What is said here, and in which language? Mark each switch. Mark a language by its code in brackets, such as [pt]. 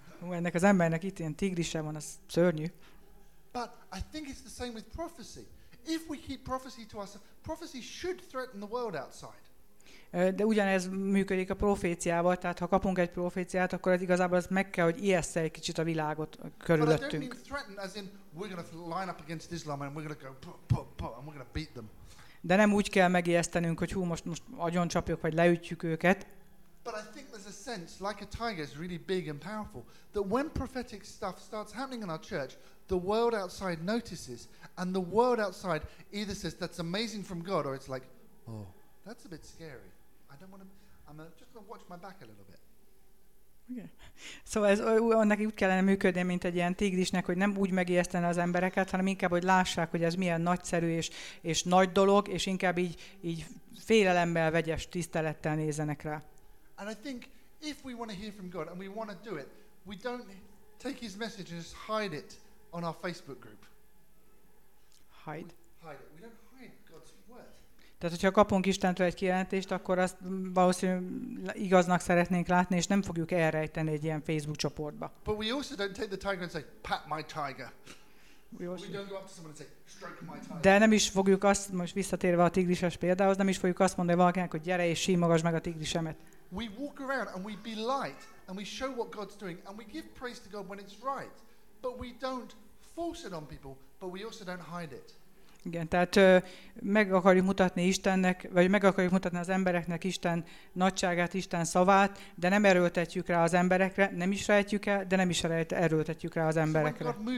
[hu] Ennek az embernek itt ilyen tigrissel van, az szörnyű. [en] But I think it's the same with prophecy. If we keep prophecy to us, prophecy should threaten the world outside. [hu] De ugyanez működik a proféciával, tehát ha kapunk egy proféciát, akkor ez igazából az meg kell, hogy ijessze egy kicsit a világot körülöttünk. [en] We're going to line up against Islam and we're going to go pop pop pop and we're going to beat them. [hu] De nem úgy kell megijesztenünk, hogy hú, most agyon csapjuk vagy leütjük őket. [en] But I think there's a sense like a tiger is really big and powerful that when prophetic stuff starts happening in our church, the world outside notices and the world outside either says that's amazing from God or it's like, oh, that's a bit scary. I don't want to I'm just going to watch my back a little bit. Okay. [hu] Szóval ez annak úgy kellene működni, mint egy ilyen tigrisnek, hogy nem úgy megijesztene az embereket, hanem inkább, hogy lássák, hogy ez milyen nagyszerű és nagy dolog, és inkább így félelemmel, vegyes tisztelettel nézenek rá. [en] And I think if we want to hear from God and we want to do it, we don't take his message and just hide it on our Facebook group. Hide? Hide it. We don't hide God's word. [hu] Tehát, hogyha kapunk Istentől egy kijelentést, akkor azt valószínűleg igaznak szeretnénk látni, és nem fogjuk elrejteni egy ilyen Facebook csoportba. [en] But we also don't take the tiger and say, pat my tiger. We don't go up to someone and say, stroke my tiger. [hu] De nem is fogjuk azt, most visszatérve a tigrises példához, nem is fogjuk azt mondani valakinek, hogy gyere és simogasd meg a tigrisemet. [en] We walk around and we be light and we show what God's doing and we give praise to God when it's right. But we don't force it on people, but we also don't hide it. [hu] Igen, tehát meg akarjuk mutatni Istennek, vagy meg akarjuk mutatni az embereknek Isten nagyságát, Isten szavát, de nem erőltetjük rá az emberekre, nem is rejtjük el, de nem is erőltetjük rá az emberekre.